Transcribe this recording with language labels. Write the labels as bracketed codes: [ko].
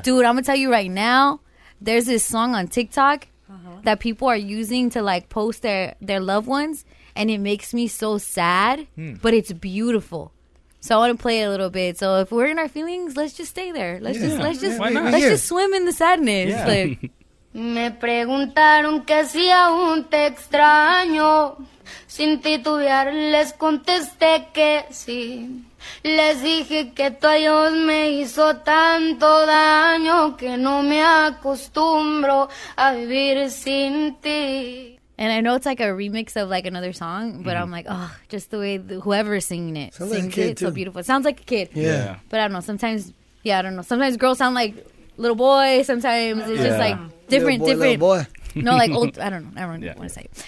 [en] Dude, I'm going to tell you right now, there's this song on TikTok that people are using to like post their loved ones, and it makes me so sad, but it's beautiful. So I want to play it a little bit. So if we're in our feelings, let's just stay there. Let's just swim in the sadness. Yeah. Like. [es] Me preguntaron que si aún te extraño. Sin titubear les contesté que sí. Les dije que tu adiós me hizo tanto daño que no me acostumbro a vivir sin ti. [en] And I know it's like a remix of like another song, but I'm like, oh, just the way whoever's singing it sounds sings like a kid it, too. So beautiful. It sounds like a kid. Yeah. But I don't know. Sometimes, I don't know. Sometimes girls sound like little boys. Sometimes it's just like different. Little boy. No, like old. I don't know. I don't want to say.